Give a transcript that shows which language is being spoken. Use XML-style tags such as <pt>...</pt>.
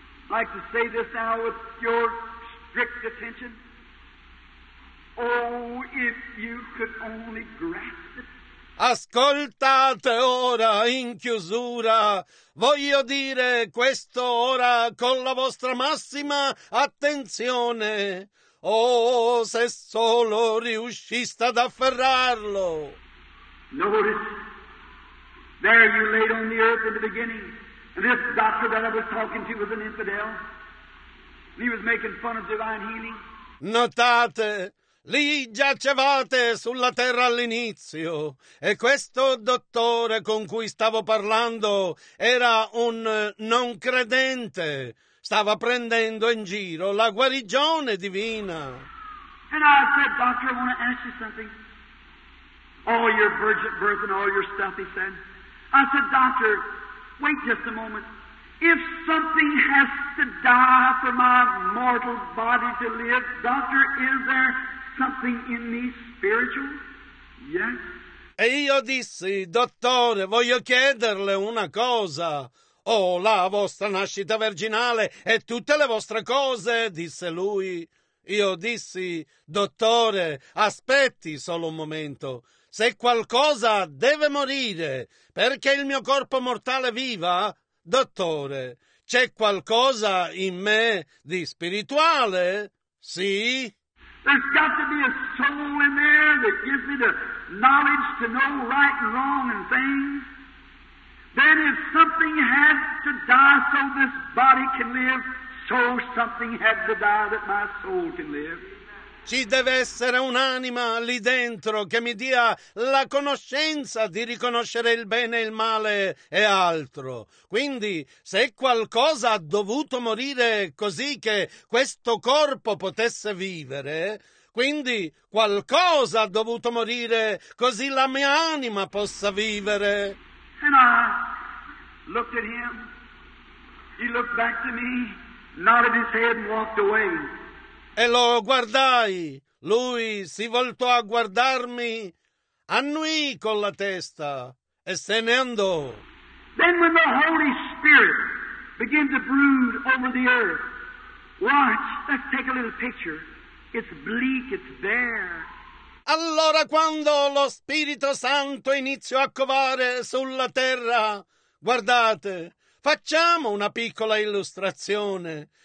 <en>I'd like to say this now with your strict attention. Oh, if you could only grasp it.</en> <it>Ascoltate ora in chiusura. Voglio dire questo ora con la vostra massima attenzione. Oh, se solo riusciste ad afferrarlo.</it> <en>Notice, there you laid on the earth in the beginning. And this doctor that I was talking to was an infidel. And he was making fun of divine healing.</en> <it>Notate, lì giacevate sulla terra all'inizio. E questo dottore con cui stavo parlando era un non credente. Stava prendendo in giro la guarigione divina.</it> <en>And I said, doctor, I want to ask you something. All your virgin birth and all your stuff, he said. I said, doctor, wait just a moment. If something has to die for my mortal body to live, doctor, is there something in me spiritual? Yes.</en> <it>E io dissi, dottore, voglio chiederle una cosa. Oh, la vostra nascita virginale e tutte le vostre cose, disse lui. Io dissi, dottore, aspetti solo un momento. Se qualcosa deve morire perché il mio corpo mortale viva, dottore, c'è qualcosa in me di spirituale? Sì?</it> <en>There's got to be a soul in there that gives me the knowledge to know right and wrong and things. Then if something has to die so this body can live, so something had to die that my soul can live.</en> <it>Ci deve essere un'anima lì dentro che mi dia la conoscenza di riconoscere il bene e il male e altro. Quindi, se qualcosa ha dovuto morire così che questo corpo potesse vivere, quindi qualcosa ha dovuto morire così la mia anima possa vivere.</it> <en>And I looked at him. He looked back to me, nodded his head and walked away.</en> <it>E lo guardai, lui si voltò a guardarmi, annuì con la testa e se ne andò.</it> <en>Then when the Holy Spirit began to brood over the earth, watch, let's take a little picture, it's bleak, it's bare.</en> <it>Allora quando lo Spirito Santo iniziò a covare sulla terra, guardate, facciamo una piccola illustrazione.</it>